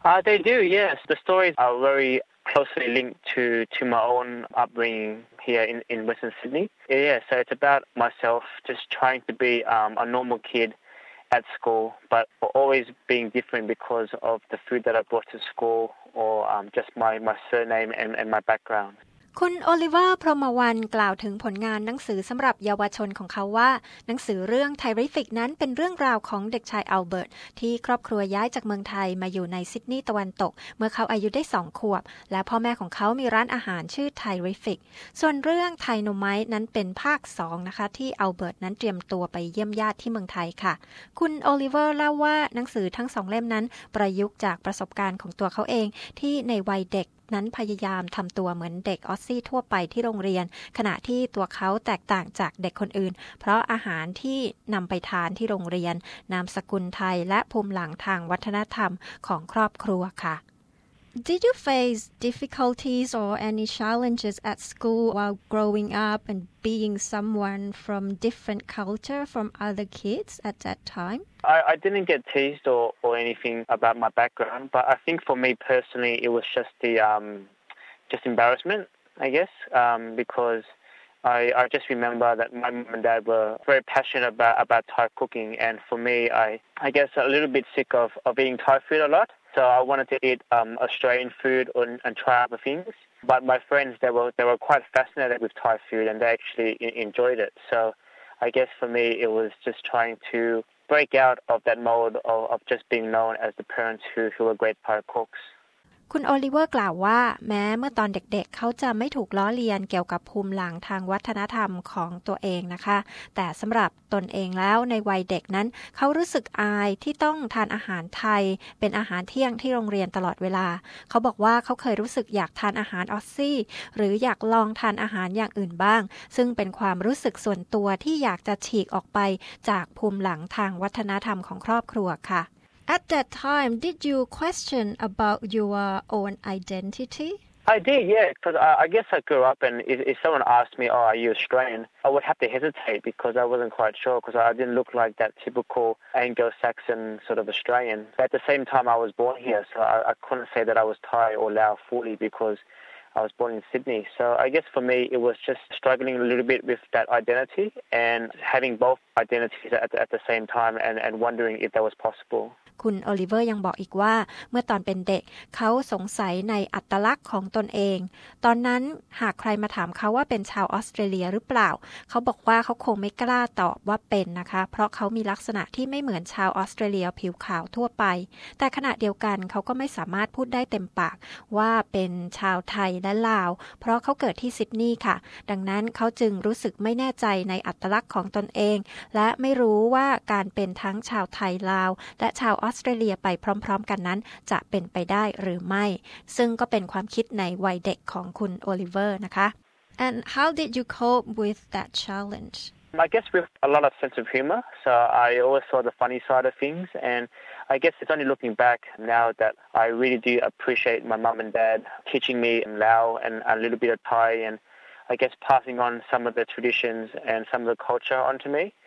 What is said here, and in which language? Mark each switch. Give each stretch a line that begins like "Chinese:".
English: They do, yes. The stories are very closely linked to my own upbringing here in Western Sydney. Yeah, so it's about myself just trying to be a normal kid,at school, but always being different because of the food that I brought to school or just my surname and my background.
Thai: คุณโอลิเวอร์พรหมวรรณกล่าวถึงผลงานหนังสือสำหรับเยาวชนของเขาว่าหนังสือเรื่อง Tyrific นั้นเป็นเรื่องราวของเด็กชายอัลเบิร์ตที่ครอบครัวย้ายจากเมืองไทยมาอยู่ในซิดนีย์ตะวันตกเมื่อเขาอายุได้2ขวบและพ่อแม่ของเขามีร้านอาหารชื่อ Tyrific ส่วนเรื่อง Tynomite นั้นเป็นภาค2นะคะที่อัลเบิร์ตนั้นเตรียมตัวไปเยี่ยมญาติที่เมืองไทยค่ะ คุณโอลิเวอร์เล่าว่าหนังสือทั้ง2เล่มนั้นประยุกต์จากประสบการณ์ของตัวเขาเองที่ในวัยเด็กนั้นพยายามทำตัวเหมือนเด็กออสซี่ทั่วไปที่โรงเรียนขณะที่ตัวเขาแตกต่างจากเด็กคนอื่นเพราะอาหารที่นำไปทานที่โรงเรียนนามสกุลไทยและภูมิหลังทางวัฒนธรรมของครอบครัวค่ะ
English: Did you face difficulties or any challenges at school while growing up and being someone from different culture from other kids at that time? I didn't get teased or anything about my background, but I think for me personally, it was just the just embarrassment, I guess, because I just remember that my mom and dad were very passionate about Thai cooking, and for me, I guess a little bit sick of eating Thai food a lot. So I wanted to eat Australian food and try other things. But my friends, they were quite fascinated with Thai food and they actually enjoyed it. So I guess for me, it was just trying to break out of that mold of just being known as the parents who were great Thai cooks.
Thai: คุณโอลิเวอร์กล่าวว่าแม้เมื่อตอนเด็กๆเขาจะไม่ถูกล้อเลียนเกี่ยวกับภูมิหลังทางวัฒนธรรมของตัวเองนะคะแต่สำหรับตนเองแล้วในวัยเด็กนั้นเขารู้สึกอายที่ต้องทานอาหารไทยเป็นอาหารเที่ยงที่โรงเรียนตลอดเวลาเขาบอกว่าเขาเคยรู้สึกอยากทานอาหารออสซี่หรืออยากลองทานอาหารอย่างอื่นบ้างซึ่งเป็นความรู้สึกส่วนตัวที่อยากจะฉีกออกไปจากภูมิหลังทางวัฒนธรรมของครอบครัวค่ะ
English: At that time, did you question about your own identity? I did, yeah, because I guess I grew up and if someone asked me, oh, are you Australian, I would have to hesitate because I wasn't quite sure because I didn't look like that typical Anglo-Saxon sort of Australian. But at the same time, I was born here, so I couldn't say that I was Thai or Lao fully because I was born in Sydney. So I guess for me, it was just struggling a little bit with that identity and having both identities at the same time and wondering if that was possible.
Thai: คุณโอลิเวอร์ยังบอกอีกว่าเมื่อตอนเป็นเด็กเขาสงสัยในอัตลักษณ์ของตนเองตอนนั้นหากใครมาถามเขาว่าเป็นชาวออสเตรเลียหรือเปล่าเขาบอกว่าเขาคงไม่กล้าตอบว่าเป็นนะคะเพราะเขามีลักษณะที่ไม่เหมือนชาวออสเตรเลียผิวขาวทั่วไป แต่ขณะเดียวกันเขาก็ไม่สามารถพูดได้เต็มปากว่าเป็นชาวไทยและลาวเพราะเขาเกิดที่ซิดนีย์ค่ะดังนั้นเขาจึงรู้สึกไม่แน่ใจในอัตลักษณ์ของตนเองและไม่รู้ว่าการเป็นทั้งชาวไทยลาวและชาวออสเตรเลียไปพร้อมๆกันนั้นจะเป็นไปได้หรือไม่ซึ่งก็เป็นความคิดในวัยเด็กของคุณโอลิเวอร์นะคะ
English: And how did you cope with that challenge? I guess with a lot of sense of humor, so I always saw the funny side of things, and I guess it's only looking back now that I really do appreciate my mum and dad teaching me in Lao and a little bit of Thai, and I guess passing on some of the traditions and some of the culture onto me.